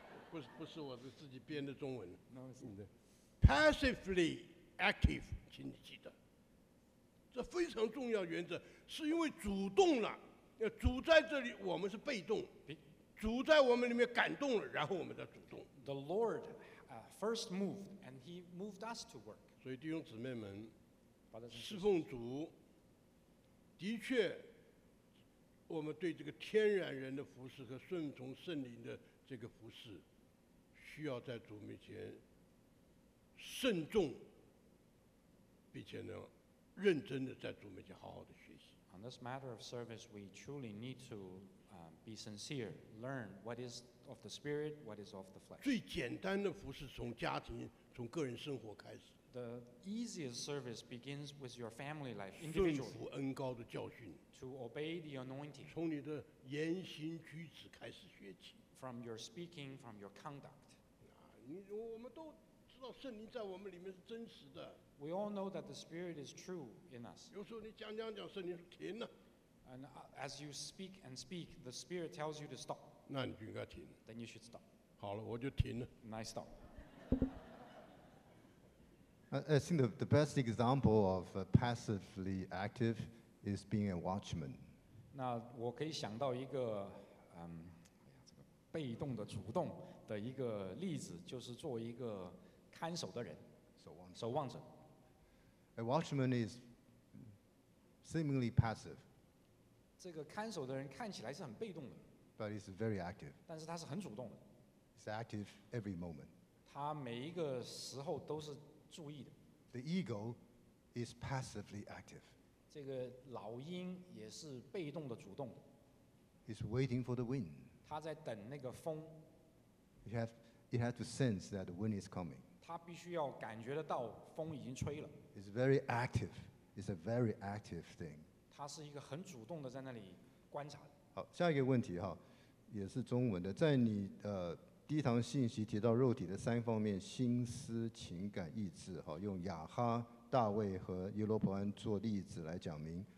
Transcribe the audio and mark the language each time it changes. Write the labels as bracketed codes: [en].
[zh] 不是我是自己编的中文。 [en] No, it's not. Passively active, [zh] 请你记得。这非常重要原则，是因为主动了。主在这里，我们是被动。主在我们里面感动了，然后我们再主动。 [en] The Lord first moved, and He moved us to work. [zh] 所以弟兄姊妹们，侍奉主，的确，我们对这个天然人的服侍和顺从圣灵的这个服侍，需要在主面前慎重，并且呢，认真的在主面前好好的学习。 [en] On this matter of service, we truly need to be sincere, learn what is of the spirit, what is of the flesh. [zh] 最简单的服侍从家庭、从个人生活开始。 [en] The easiest service begins with your family life, individually. [zh] 顺服恩膏的教训。 [en] To obey the anointing. [zh] 从你的言行举止开始学起。 [en] From your speaking, from your conduct. [zh] 我们都知道圣灵在我们里面是真实的。 [en] We all know that the Spirit is true in us. [zh] 有时候你讲，圣灵说停了。 [en] And as you speak and speak, the Spirit tells you to stop. [zh] 那你就应该停。 [en] Then you should stop. [zh] 好了，我就停了。 [en] And I stop. I think the best example of passively active is being a watchman. [zh] 那我可以想到一个，这个被动的主动的一个例子，就是做一个看守的人，守望者。 [en] A watchman is seemingly passive. [zh] 这个看守的人看起来是很被动的。 [en] But he's very active. [zh] 但是他是很主动的。 [en] He's active every moment. [zh] 他每一个时候都是注意的。 [en] The ego is passively active. [zh] 这个老鹰也是被动的主动的。 [en] He's waiting for the wind. [zh] 他在等那个风。 [en] He has to sense that the wind is coming. [zh] 他必须要感觉得到风已经吹了。 [en] It's very active. It's a very active thing. [zh] 他是一个很主动的在那里观察。好，下一个问题哈，也是中文的，在你第一堂信息提到肉体的三方面，心思、情感、意志，用亚哈、大卫和耶罗伯安做例子来讲明。